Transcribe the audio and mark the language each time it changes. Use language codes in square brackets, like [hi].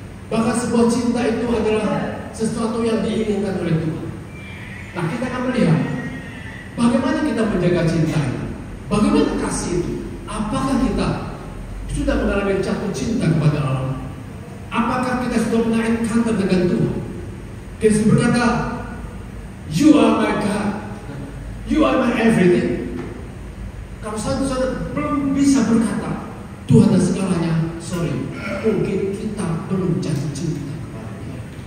[id] Bahkan sebuah cinta itu adalah sesuatu yang diinginkan oleh Tuhan. Nah, kita akan melihat bagaimana kita menjaga cinta, bagaimana kasih itu. Apakah kita sudah mengalami jatuh cinta kepada Allah? Apakah kita sudah menaikkan dengan Tuhan? Yesus berkata, [en] "You are my God, you are my everything." [id] Kalau satu-satu belum bisa berkata Tuhan dan segalanya, sorry, mungkin kita belum jatuh cinta kepada Dia.